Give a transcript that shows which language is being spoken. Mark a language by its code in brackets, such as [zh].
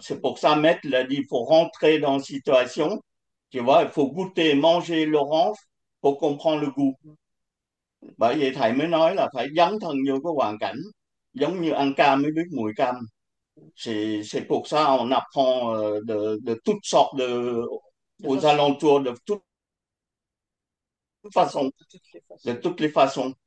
[fr] C'est pour ça, Maître l'a dit, il faut rentrer dans la situation. Tu vois, il faut goûter, manger l'orange pour comprendre le goût. [vi] Bởi vậy thầy mới nói là phải dấn thân vô cái hoàn cảnh, giống như ăn cam mới biết mùi cam. [fr] C'est pour ça on apprend de toutes sortes de De aux façon. alentours de toutes façons, de toutes les façons.